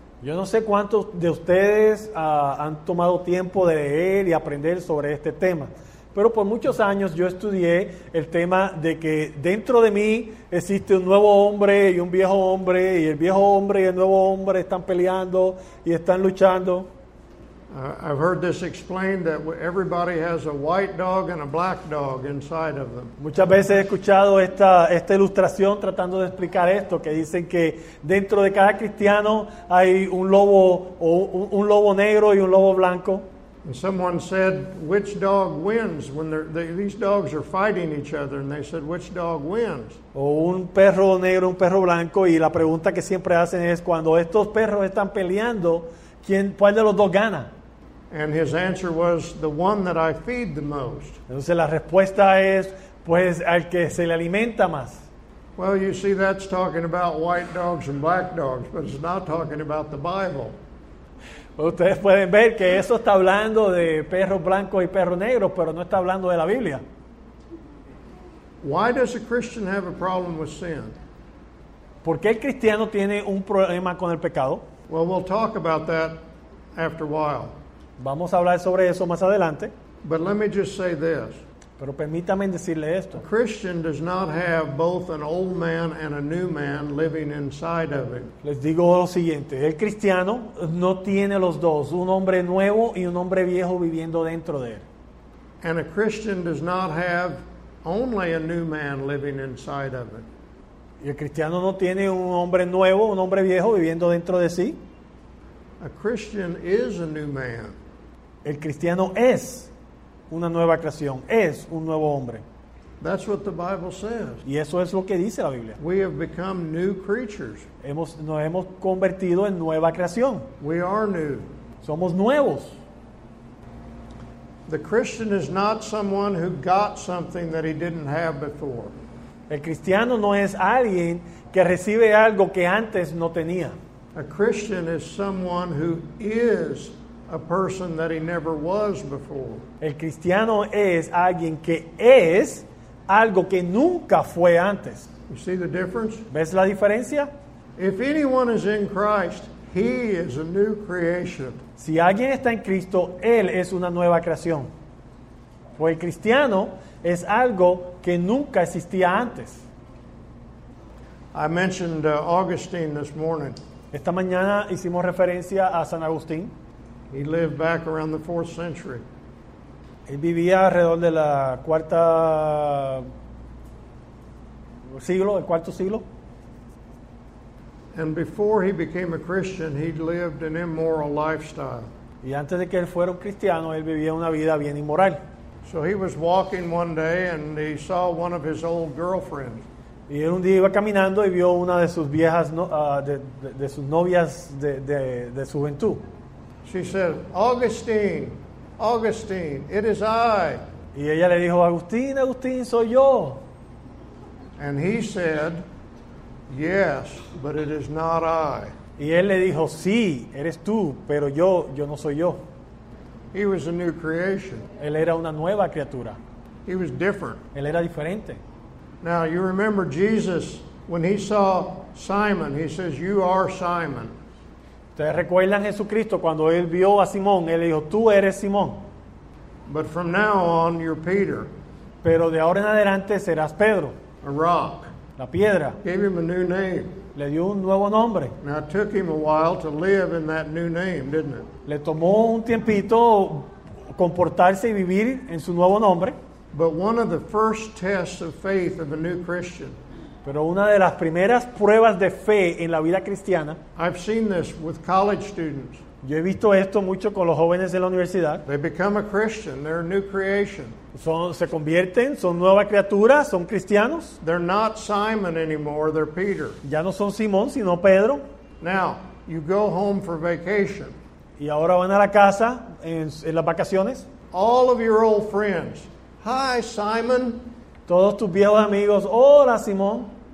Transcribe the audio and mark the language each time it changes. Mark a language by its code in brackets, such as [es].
[es] Yo no sé cuántos de ustedes han tomado tiempo de leer y aprender sobre este tema, pero por muchos años yo estudié el tema de que dentro de mí existe un nuevo hombre y un viejo hombre, y el viejo hombre y el nuevo hombre están peleando y están luchando. [en] I've heard this explained that everybody has a white dog and a black dog inside of them. [es] Muchas veces he escuchado esta ilustración tratando de explicar esto, que dicen que dentro de cada cristiano hay un lobo o un lobo negro y un lobo blanco. [en] And someone said, "Which dog wins when these dogs are fighting each other?" And they said, "Which dog wins?" [es] O un perro negro, un perro blanco, y la pregunta que siempre hacen es cuando estos perros están peleando, ¿cuál de los dos gana? [en] And his answer was, "The one that I feed the most." [es] Entonces la respuesta es, pues, al que se le alimenta más. [en] Well, you see, that's talking about white dogs and black dogs, but it's not talking about the Bible. [es] Ustedes pueden ver que eso está hablando de perros blancos y perros negros, pero no está hablando de la Biblia. [en] Why does a Christian have a problem with sin? [es] ¿Por qué el cristiano tiene un problema con el pecado? [en] Well, we'll talk about that after a while. [es] Vamos a hablar sobre eso más adelante. [en] But let me just say this. [es] Pero permítame decirle esto. [en] A Christian does not have both an old man and a new man living inside of him. [es] Les digo lo siguiente. El cristiano no tiene los dos, un hombre nuevo y un hombre viejo viviendo dentro de él. [en] And a Christian does not have only a new man living inside of him. [es] Y el cristiano no tiene un hombre nuevo, un hombre viejo viviendo dentro de sí. [en] A Christian is a new man. [es] El cristiano es una nueva creación, es un nuevo hombre. [en] That's what the Bible says. [es] Y eso es lo que dice la Biblia. [en] We have become new creatures. [es] Nos hemos convertido en nueva creación. [en] We are new. [es] Somos nuevos. [en] The Christian is not someone who got something that he didn't have before. [es] El cristiano no es alguien que recibe algo que antes no tenía. [en] A Christian is someone who is a person that he never was before. [es] El cristiano es alguien que es algo que nunca fue antes. [en] You see the difference? [es] ¿Ves la diferencia? [en] If anyone is in Christ, he is a new creation. [es] Si alguien está en Cristo, él es una nueva creación. Pues el cristiano es algo que nunca existía antes. [en] I mentioned Augustine this morning. [es] Esta mañana hicimos referencia a San Agustín. [en] He lived back around the 4th century. [es] Él vivía alrededor de la cuarta siglo, el cuarto siglo. [en] And before he became a Christian, he lived an immoral lifestyle. [es] Y antes de que él fuera un cristiano, él vivía una vida bien inmoral. [en] So he was walking one day and he saw one of his old girlfriends. [es] Y él un día iba caminando y vio una de sus viejas de sus novias de juventud. [en] She said, "Augustine, Augustine, it is I." [es] Y ella le dijo, "Agustín, Agustín, soy yo." [en] And he said, "Yes, but it is not I." [es] Y él le dijo, "Sí, eres tú, pero yo no soy yo." [en] He was a new creation. [es] Él era una nueva criatura. [en] He was different. [es] Él era diferente. [en] Now, you remember Jesus, when he saw Simon, he says, "You are Simon." [es] ¿Ustedes recuerdan Jesucristo cuando él vio a Simón? Él dijo, tú eres Simón. [en] But from now on, you're Peter. [es] Pero de ahora en adelante serás Pedro. [en] A rock. [es] La piedra. [en] Gave him a new name. [es] Le dio un nuevo nombre. [en] Now it took him a while to live in that new name, didn't it? [es] Le tomó un tiempito comportarse y vivir en su nuevo nombre. [en] But one of the first tests of faith of a new Christian. [es] Pero una de las primeras pruebas de fe en la vida cristiana. [en] I've seen this with college students. [es] Yo he visto esto mucho con los jóvenes de la universidad. [en] They become a Christian. They're a new creation. [es] Se convierten, son nueva criatura, son cristianos. [en] They're not Simon anymore, they're Peter. [es] Ya no son Simón, sino Pedro. [en] Now, you go home for vacation. [es] Y ahora van a la casa en las vacaciones. [en] All of your old friends. Hi, Simon. [es] Todos tus viejos amigos, hola Simón.